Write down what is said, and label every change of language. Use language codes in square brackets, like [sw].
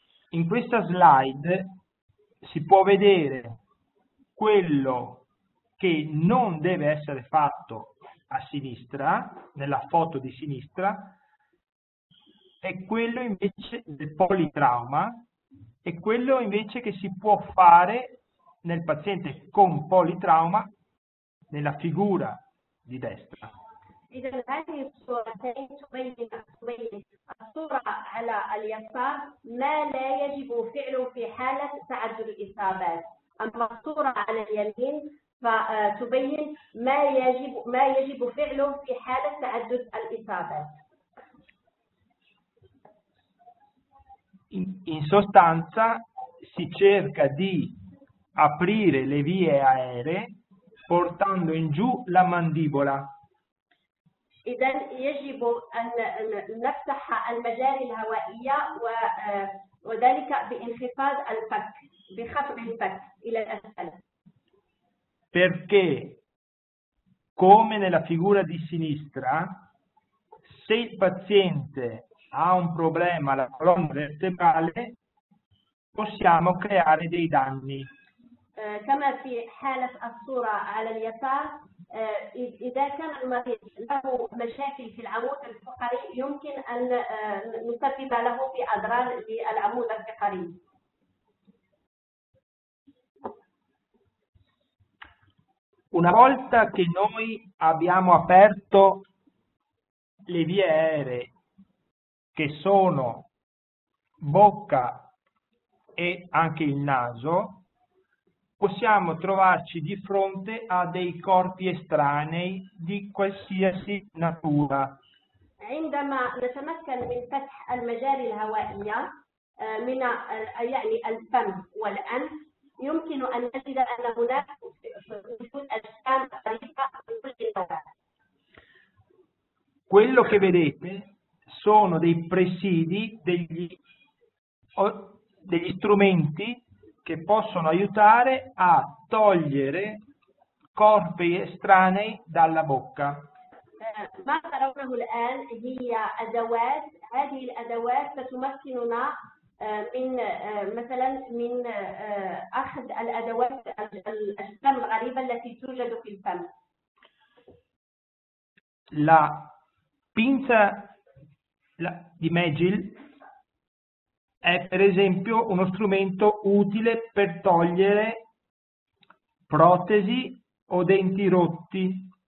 [it] In questa slide si può vedere quello che non deve essere fatto a sinistra, nella foto di sinistra, e quello invece del politrauma, e quello invece che si può fare nel paziente con politrauma nella figura di destra. [ar] الآن الصورة تبين الصورة على اليسار ما لا يجب فعله في حالة تعدد الإصابات، أما الصورة على اليمين فتبين ما يجب فعله في حالة تعدد الإصابات. [it] In sostanza si cerca di aprire le vie aeree portando in giù la mandibola. [ar] إذا يجب أن نفتح المجاري الهوائية وذلك بانخفاض الفك بخفض الفك إلى الأسفل. [it] Perché come nella figura di sinistra, se il paziente ha un problema alla colonna vertebrale, possiamo creare dei danni. [ar] كما في حالة الصورة على اليسار إذا كان المريض له مشاكل في العمود الفقري يمكن أن نسبب له في أضرار للعمود الفقري. [it] Una volta che noi abbiamo aperto le vie aeree che sono bocca e anche il naso, possiamo trovarci di fronte a dei corpi estranei di qualsiasi natura. [ar] عندما نتمكن من فتح المجاري الهوائية من يعني الفم والأنف يمكن أن نجد أن هناك وجود أجسام غريبة من كل نوع. [it] Quello che vedete sono dei presidi degli strumenti che possono aiutare a togliere corpi estranei dalla bocca. Ma faremo [ar] الان هي ادوات هذه الادوات تمكننا من مثلا من اخذ الادوات الاجسام الغريبه التي توجد في الفم. [it] La pinza di Magill è per esempio uno strumento utile per togliere protesi o denti rotti.